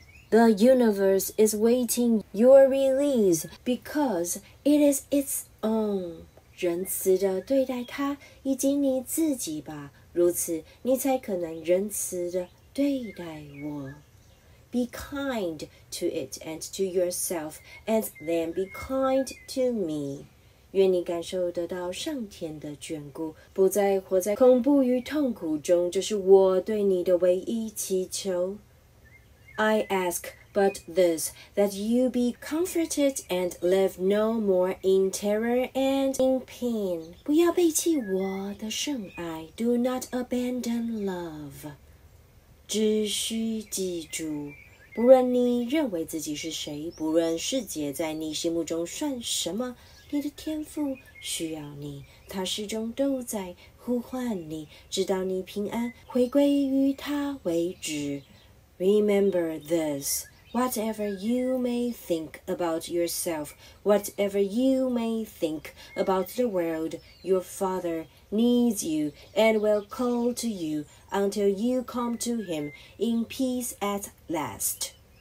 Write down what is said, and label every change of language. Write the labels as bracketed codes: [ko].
[en] The universe is waiting your release because it is its own. [zh] 仁慈地对待他以及你自己吧，如此你才可能仁慈地对待我。 [en] Be kind to it and to yourself, and then be kind to me. [zh] 愿你感受得到上天的眷顾，不再活在恐怖与痛苦中，这是我对你的唯一祈求。 [en] I ask but this, that you be comforted and live no more in terror and in pain. [zh] 不要背弃我的圣爱， [en] do not abandon love. [zh] 只需记住，不论你认为自己是谁，不论世界在你心目中算什么，你的天父需要你，他始终都在呼唤你，直到你平安回归于他为止。 [en] Remember this, whatever you may think about yourself, whatever you may think about the world, your father needs you and will call to you. Until you come to him in peace at last.